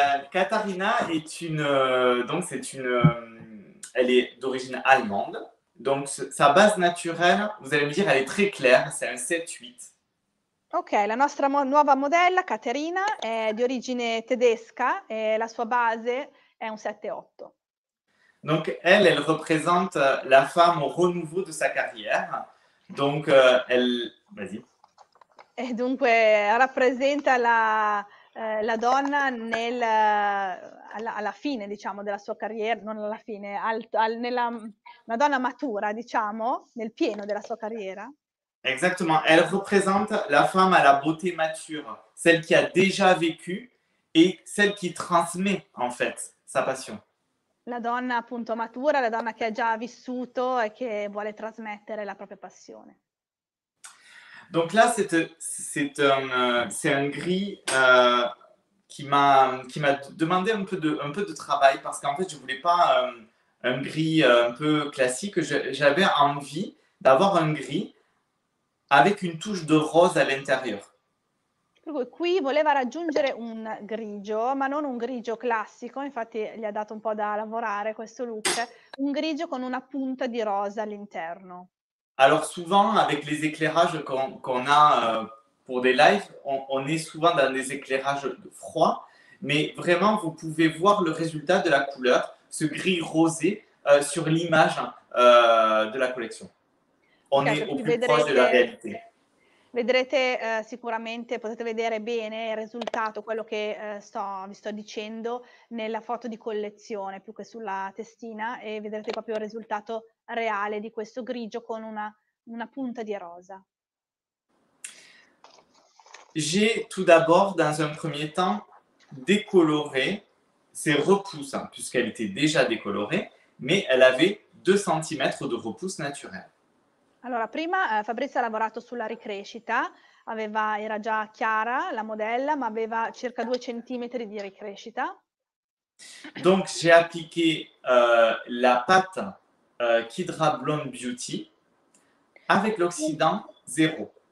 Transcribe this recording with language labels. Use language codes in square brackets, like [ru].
[fr] Katarina est une donc c'est une elle est d'origine allemande donc sa base naturelle vous allez me dire elle est très claire c'est un 7-8. [it] Ok, la nostra nuova modella Katarina è di origine tedesca e la sua base è un 7-8. [fr] Donc elle représente la femme au renouveau de sa carrière donc elle vas-y. [it] E dunque rappresenta la donna alla fine, diciamo, della sua carriera, non alla fine, una donna matura, diciamo, nel pieno della sua carriera. [fr] Exactement, elle représente la femme à la beauté mature, celle qui a déjà vécu et celle qui transmet, en fait, sa passion. [it] La donna, appunto, matura, la donna che ha già vissuto e che vuole trasmettere la propria passione. [fr] Donc là, c'est un gris qui m'a demandé un peu de travail parce qu'en fait, je ne voulais pas un gris un peu classique. J'avais envie d'avoir un gris avec une touche de rose à l'intérieur. [it] Qui voleva raggiungere un grigio, ma non un grigio classico. Infatti, gli ha dato un po' da lavorare questo look. Un grigio con una punta di rosa all'interno. [fr] Alors souvent, avec les éclairages qu'on a pour des lives, on est souvent dans des éclairages froids, mais vraiment, vous pouvez voir le résultat de la couleur, ce gris rosé, sur l'image de la collection. On okay, est au plus proche de la réalité. [it] Vedrete sicuramente, potete vedere bene il risultato, quello che vi sto dicendo, nella foto di collezione, più che sulla testina, e vedrete proprio il risultato reale di questo grigio con una punta di rosa. [fr] J'ai tout d'abord, dans un premier temps, décoloré ses repousses, hein, puisqu'elle était déjà décolorée, mais elle avait 2 cm de repousse naturelle. [it] Allora, prima Fabrizio ha lavorato sulla ricrescita, era già chiara la modella, ma aveva circa 2 cm di ricrescita. [fr] Donc j'ai appliqué la pâte Kidra Blonde Beauty avec l'oxydant zero.